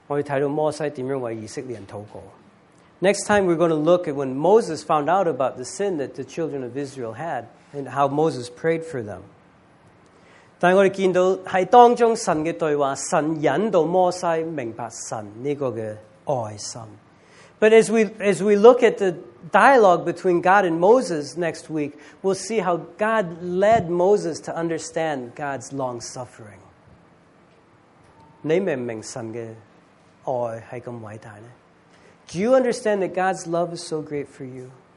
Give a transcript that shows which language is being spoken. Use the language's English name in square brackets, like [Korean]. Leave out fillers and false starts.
[Chinese] 下次呢,我们会看到摩西知道以色列人犯罪的时候呢,我们会看到摩西怎样为以色列人祷告。 [English] Next time we're going to look at when Moses found out about the sin that the children of Israel had and how Moses prayed for them. [Chinese] 但我们看到在当中神的对话,神引导摩西明白神这个爱心。 [English] But as we look at the dialogue between God and Moses next week, we'll see how God led Moses to understand God's long-suffering. [Chinese] 你明明神的爱是这么伟大呢? [English] Do you understand that God's love is so great for you?